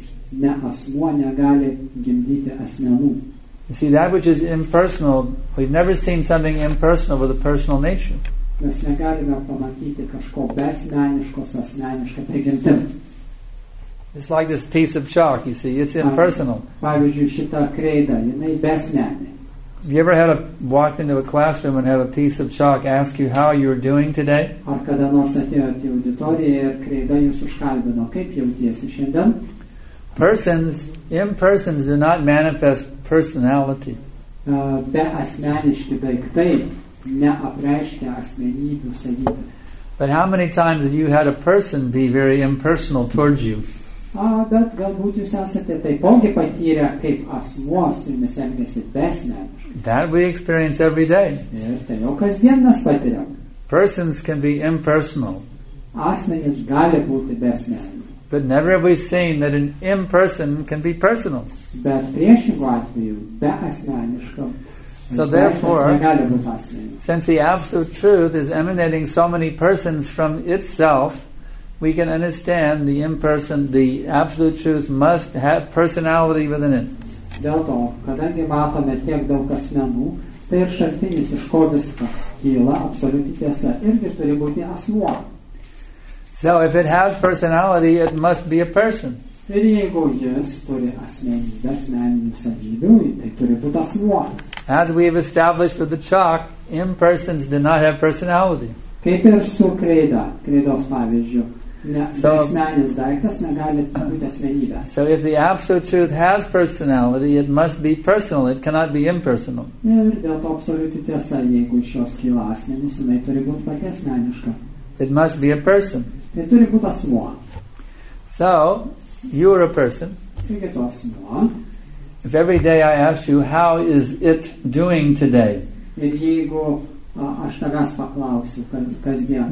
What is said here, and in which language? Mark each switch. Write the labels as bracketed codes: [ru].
[lt] Ne asmuo negali gimdyti asmenų. [en] You see, that which is impersonal, we've never seen something impersonal with a personal nature. [lt] Mes negalime pamatyti kažko besmeniškos, asmeniškos prigimtim. [en] It's like this piece of chalk, you see, it's impersonal. [lt] Pavyzdžiui, šita kreida, jinai besmenė. [en] Have you ever walked into a classroom and had a piece of chalk ask you how you're doing today? [lt] Ar kada nors atėjote į auditoriją ir kreida jūs užkalbino, kaip jautiesi šiandien? [en] Persons, impersons do not manifest personality. [lt] Beasmeniški daiktai. Neapreiškia asmenybių savybę. [en] But how many times have you had a person be very impersonal towards you? [lt] Bet galbūt jūs esate taipogi patyrę, kaip asmuo su jumis elgiasi besmeniškai. [en] That we experience every day. [lt] Ir tai jau kasdien mes patiriam. [en] Persons can be impersonal. [lt] Asmenys gali būti besmeniškai. [en] But never have we seen that an imperson can be personal. [lt] Bet priešingu atveju, beasmeniškam. [en] So therefore, since the absolute truth is emanating so many persons from itself, we can understand the imperson, the absolute truth must have personality within it. [lt] Dėl to, kadangi matome tiek daug asmenų, tai ir šaltinis, iš ko viskas kyla, absoliuti tiesa, irgi turi būti asmuo. [en] So if it has personality, it must be a person. [lt] Ir jeigu jis turi asmenybę, asmeninių savybių, tai turi būti asmuo. [en] As we have established with the chalk, impersons do not have personality. [lt] Kaip ir su kreida, kreidos pavyzdžiu, asmeninis daiktas negali būti asmenybė. [en] So if the absolute truth has personality, it must be personal, it cannot be impersonal. [lt] Ir dėl to absoliuti tiesa, jeigu iš jos kyla asmenis, jinai turi būti pati asmeniška. [en] It must be a person. [lt] Tai turi būti asmuo. [en] So, you are a person. [lt] Taigi tu asmuo. [en] If every day I ask you, how is it doing today? [lt] Ir jeigu aš tavęs paklausiu, kas dien?